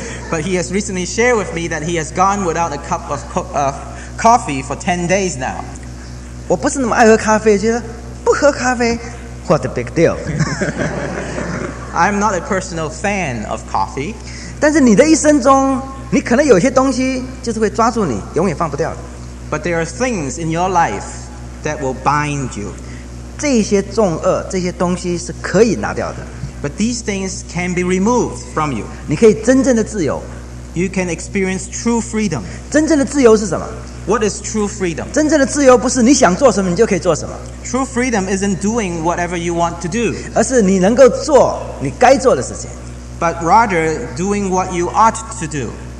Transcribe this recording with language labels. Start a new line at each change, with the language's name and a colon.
English: But he has recently shared with me that he has gone without a cup of coffee for 10 days now.
Chinese: 我不是那么爱喝咖啡，觉得不喝咖啡
English: what a big deal. I'm not a personal fan of coffee.
Chinese: 但是你的一生中，你可能有些东西就是会抓住你，永远放不掉的。
English: But there are things in your life that will bind you.
Chinese: 这些重轭，这些东西是可以拿掉的。
English: But these things can be removed from you.
Chinese: 你可以真正的自由。
English: You can experience true freedom.
Chinese: 真正的自由是什么？
English: What is true freedom?
Chinese: 真正的自由不是你想做什么你就可以做什么。
English: True freedom isn't doing whatever you want to do.
Chinese: 而是你能够做你该做的事情。
English: But rather doing what you ought to do.